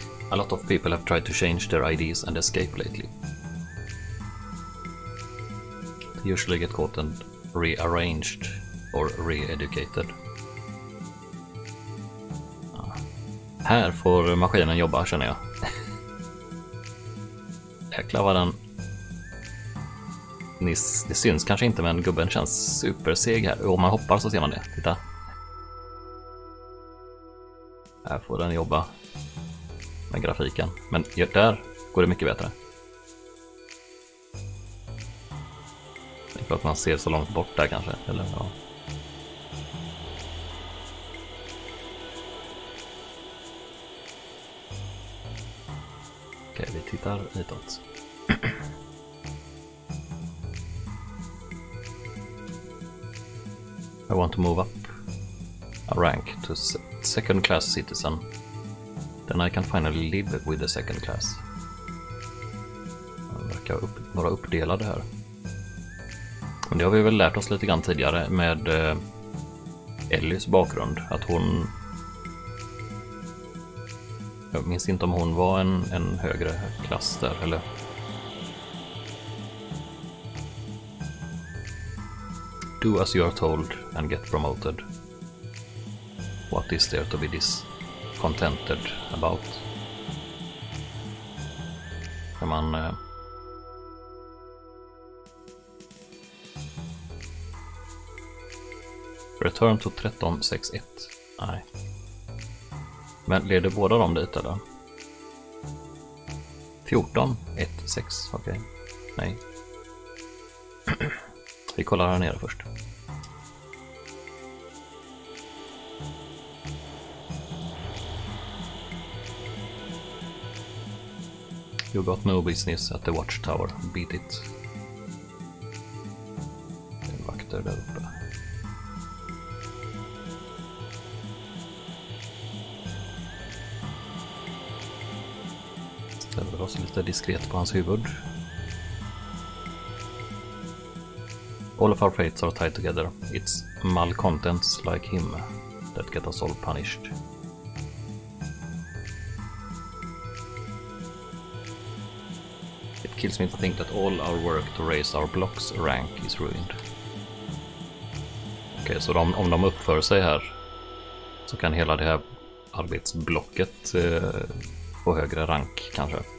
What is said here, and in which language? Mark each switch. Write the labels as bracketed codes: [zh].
[en] A lot of people have tried to change their IDs and escape lately. They usually get caught and rearranged or re-educated. [sv] Ja. Här får maskinen jobba, känner jag. Jäklar vad den... Ni, det syns kanske inte, men gubben känns superseg här. Om man hoppar så ser man det, titta. Här får den jobba. Med grafiken. Men där går det mycket bättre. Det är klart att man ser så långt bort där kanske. Eller ja. Okej, vi tittar hitåt. [en] I want to move up a rank to second class citizen. Then I can finally live with the second class. [sv] Det verkar upp, några uppdelade här. Men det har vi väl lärt oss lite grann tidigare med Ellies bakgrund. Att hon... Jag minns inte om hon var en högre klass där, eller... D- [en] do as you are told and get promoted. What is there to be discontented about? [sv] När man... [en] Return to 1361. [sv] Nej. Men leder båda dem dit eller? 1416, okej. Nej. Vi kollar här nere först. [en] You got no business at the watchtower. Beat it. [sv] Det är vakter där uppe. Ställer oss lite diskret på hans huvud. [en] All of our fates are tied together. It's malcontents like him that get us all punished. It kills me to think that all our work to raise our block's rank is ruined. [sv] Okej, okay, så om de uppför sig här så kan hela det här arbetsblocket få högre rank kanske.